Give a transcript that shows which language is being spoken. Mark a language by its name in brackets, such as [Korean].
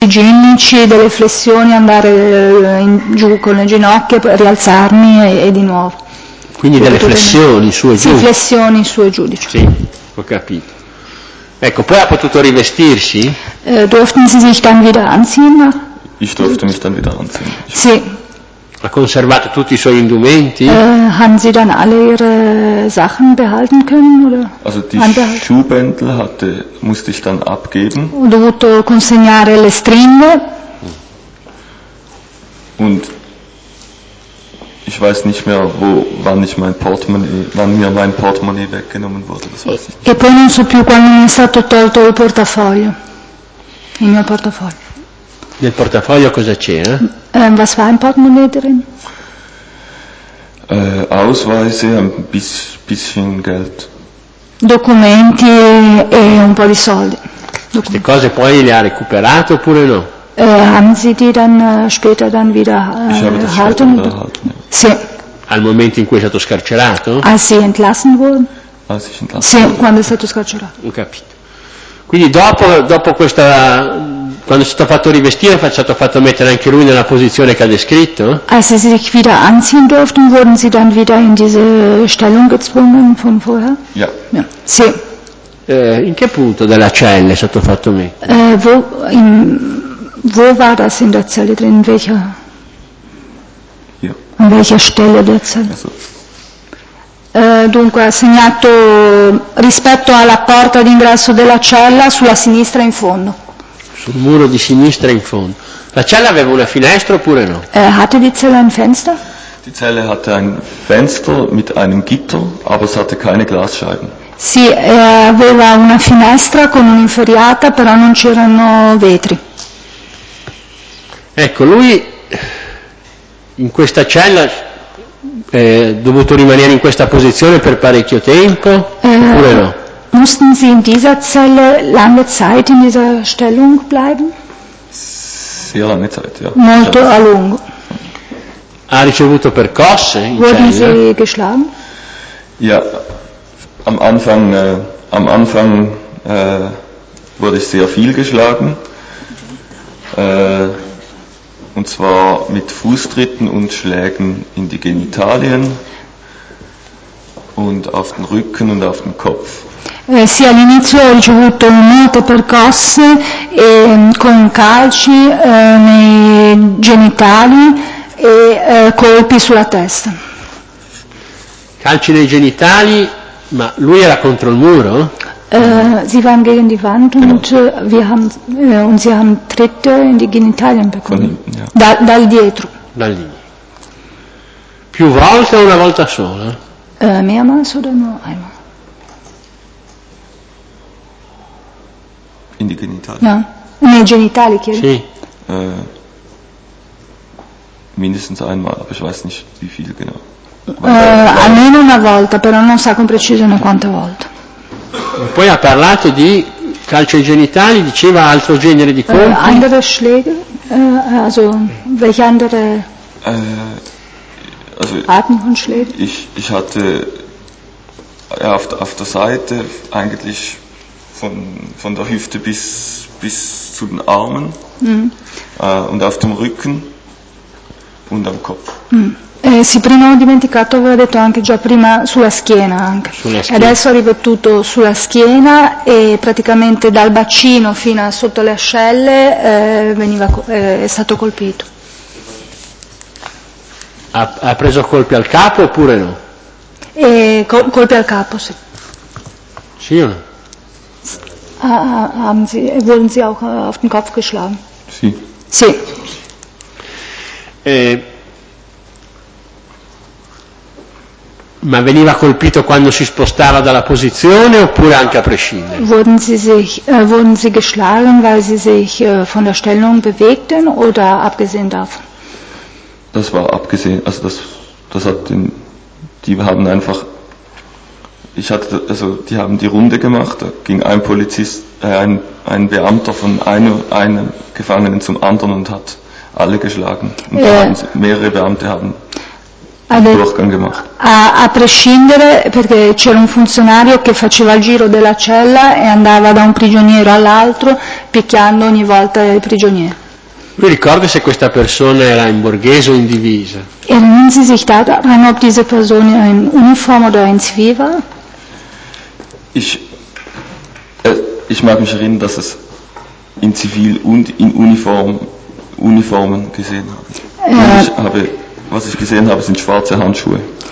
[Italian] ginnici, delle flessioni, andare giù con le ginocchia, rialzarmi e di nuovo. Quindi delle flessioni su e Sì, giù. flessioni su e giù, Sì, diciamo. ho capito. Ecco, poi ha potuto rivestirsi? [German] Durften Sie sich dann wieder anziehen? Ich durfte mich dann wieder anziehen. [Italian] Sì. Ha conservato tutti i suoi indumenti? [German] Haben Sie dann alle Ihre Sachen behalten können Also oder die anbehalten? Schuhbändel musste ich dann abgeben. [Italian] Ho dovuto consegnare le stringhe. [German] Und ich weiß nicht mehr, wann mir mein Portemonnaie weggenommen wurde, das weiß ich [Italian] E [German] nicht [Italian] poi [German] mehr. [Italian] non so più quando mi è stato tolto il portafoglio, il mio portafoglio. Nel portafoglio cosa c'è? [German] Was war ein Portemonnaie drin? Ausweise, ein bisschen Geld. [Italian] Documenti e un po' di soldi. Queste cose poi le ha recuperate oppure [German] Haben Sie die dann später dann [Italian] no? [German] Ich habe wieder das später erhalten? wiederhalten, [Italian] Sì. Al momento in cui è stato scarcerato? [German] Als Sie entlassen wurden? Als ich [Italian] Sì, [German] entlassen [Italian] quando è stato scarcerato. Ho capito. Quindi dopo questa. Quando è stato fatto rivestire, è stato fatto mettere anche lui nella posizione che ha descritto? [German] Als Sie sich wieder anziehen durften, wurden Sie dann wieder in diese Stellung gezwungen von vorher? Ja. Ja. [Italian] Sì. In che punto della cella è stato fatto mettere? [German] Wo war das in der Zelle drin? An welcher Stelle der Zelle? [Italian] Dunque, ha segnato rispetto alla porta d'ingresso della cella sulla sinistra in fondo. Sul muro di sinistra in fondo. La cella aveva una finestra oppure no? [German] Hatte die Zelle ein Fenster? Die Zelle hatte ein Fenster mit einem Gitter, aber es hatte keine Glasscheiben. [Italian] Sì, aveva una finestra con un'inferriata, però non c'erano vetri. Ecco, lui in questa cella è dovuto rimanere in questa posizione per parecchio tempo oppure no? [German] Mussten Sie in dieser Zelle lange Zeit in dieser Stellung bleiben? Sehr lange Zeit, ja. [Italian] Molto a lungo. Ha ricevuto percosse in [German] Wurden [Italian] cella? [German] Sie geschlagen? Ja, am Anfang wurde ich sehr viel geschlagen. Und zwar mit Fußtritten und Schlägen in die Genitalien und auf den Rücken und auf den Kopf. [Italian] Sì, all'inizio ho ricevuto molte percosse con calci nei genitali e colpi sulla testa. Calci nei genitali, ma lui era contro il muro? [German] Sie waren gegen die Wand und sie haben Tritte in die Genitalien bekommen, hinten, ja. [Italian] dal dietro. Da lì. Più volte o una volta sola? [German] Mehrmals oder nur einmal? In die Genitalien. [Italian] No, nei genitali, chiedo. Sì. [German] Mindestens einmal, aber ich weiß nicht wie viel genau. [Italian] Almeno una volta, però non sa con precisione quante volte. Poi ha parlato di calcio ai genitali, diceva altro genere di colpi. [German] Andere Schläge, also welche andere Also Arten von Schlägen? ich hatte auf der Seite eigentlich von der Hüfte bis zu den Armen und auf dem Rücken und am Kopf. [Italian] Sì, prima ho dimenticato, aveva detto anche già prima sulla schiena anche. Sulla schiena. Adesso ha ripetuto sulla schiena e praticamente dal bacino fino a sotto le ascelle è stato colpito. Ha preso colpi al capo oppure Colpi al capo, sì. Sì o no? [German] Wurden Sie auch auf den Kopf geschlagen? [Italian] Sì. Sì. Ma veniva colpito quando si spostava dalla posizione oppure anche a prescindere? [German] Wurden Sie geschlagen, weil Sie sich von der Stellung bewegten oder abgesehen davon? Das war abgesehen, also das hat die haben einfach, ich hatte, also die haben die Runde gemacht, da ging ein Polizist, ein Beamter von einem Gefangenen zum anderen und hat alle geschlagen. Und da haben sie, mehrere Beamte haben den Durchgang gemacht. [Italian] A prescindere, perché c'era un funzionario che faceva il giro della cella e andava da un prigioniero all'altro per picchiando ogni volta i prigionieri. Lui ricorda se questa persona era in borghese o in divisa. [German] Erinnern Sie sich daran, ob diese Person in Uniform oder in Zivil war? Ich mag mich erinnern, dass es in Zivil und in Uniformen gesehen hat. Was ich gesehen habe, sind schwarze Handschuhe.